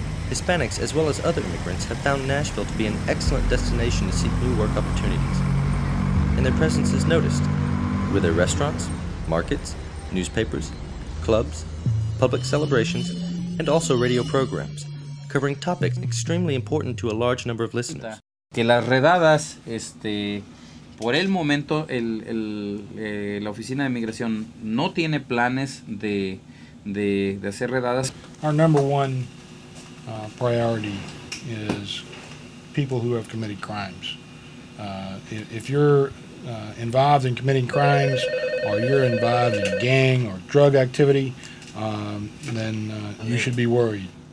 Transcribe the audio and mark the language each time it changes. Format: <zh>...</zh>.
<en>Hispanics, as well as other immigrants, have found Nashville to be an excellent destination to seek new work opportunities. And their presence is noticed, with their restaurants, markets, newspapers, clubs, public celebrations, and also radio programs, covering topics extremely important to a large number of listeners.</en> <es>Que las redadas, por el momento, la oficina de inmigración no tiene planes de hacer redadas.</es> <en>Our number one priority is people who have committed crimes. If you're involved in committing crimes, or you're involved in gang or drug activity, then you should be worried.</en>